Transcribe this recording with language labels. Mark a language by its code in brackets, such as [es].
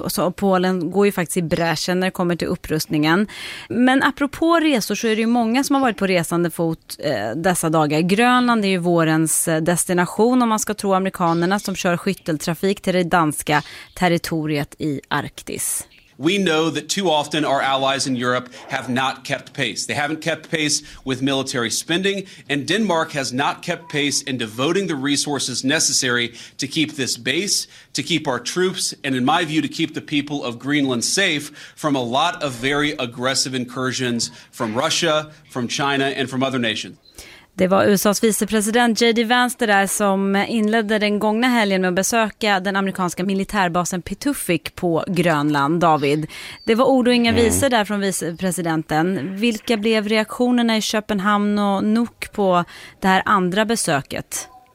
[sv] Och så Polen går ju faktiskt i bräschen när det kommer till upprustningen. Men apropå resor så är det ju många som har varit på resande fot dessa dagar. Grönland är ju vårens destination om man ska tro amerikanerna som kör skytteltrafik till det danska territoriet i Arktis. [en] We know that too often our allies in Europe have not kept pace. They haven't kept pace with military spending, and Denmark has not kept pace in devoting the resources necessary to keep this base, to keep our troops, and in my view, to keep the people of Greenland safe from a lot of very aggressive incursions from Russia, from China, and from other nations. [sv] Det var USAs vicepresident J.D. Vance det där som inledde den gångna helgen med att besöka den amerikanska militärbasen Pituffik på Grönland, David. Det var ord och inga visor där från vicepresidenten. Vilka blev reaktionerna i Köpenhamn och Nuuk på det här andra besöket?